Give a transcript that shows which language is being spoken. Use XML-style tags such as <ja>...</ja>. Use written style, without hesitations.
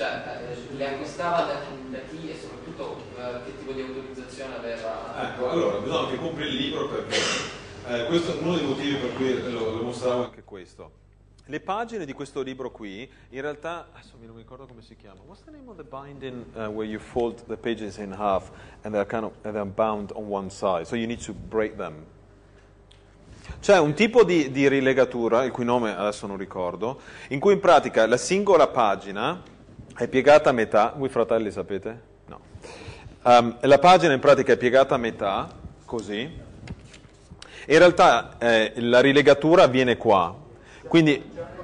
<it>Cioè, le acquistava da chi e soprattutto che tipo di autorizzazione Ecco, aveva? allora, bisogna che compri il libro perché questo è uno dei motivi per cui lo mostravo anche questo. Le pagine di questo libro qui, in realtà, adesso non mi ricordo come si chiama.</it> <en>What's the name of the binding where you fold the pages in half and they're kind of they're bound on one side, so you need to break them?</en> <it>C'è un tipo di rilegatura, il cui nome adesso non ricordo, in cui in pratica la singola pagina è piegata a metà. Voi fratelli sapete? No. La pagina in pratica è piegata a metà, così. In realtà la rilegatura viene qua. Quindi.</it>